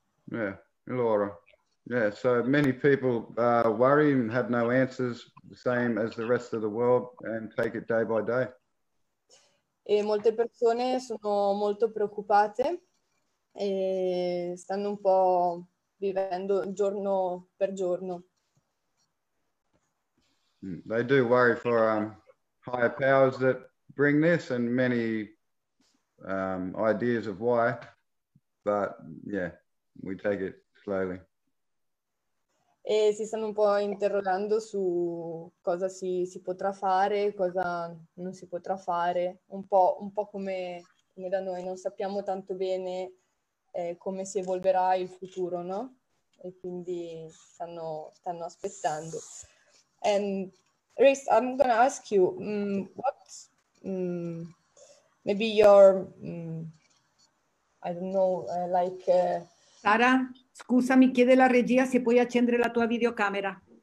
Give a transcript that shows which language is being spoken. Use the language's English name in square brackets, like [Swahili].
[English] Yeah, so many people worry and have no answers, the same as the rest of the world, and take it day by day. [Italian] E molte persone sono molto preoccupate e stanno un po' vivendo giorno per giorno. [English] They do worry for higher powers that bring this and many ideas of why, but yeah, we take it slowly. [Italian] E si stanno un po' interrogando su cosa si potrà fare, cosa non si potrà fare, un po' come da noi, non sappiamo tanto bene come si evolverà il futuro, no? E quindi stanno aspettando. [English] And Rhys, I'm gonna ask you, maybe I don't know, [Italian] Sara, scusa, mi chiede la regia se puoi accendere la tua videocamera.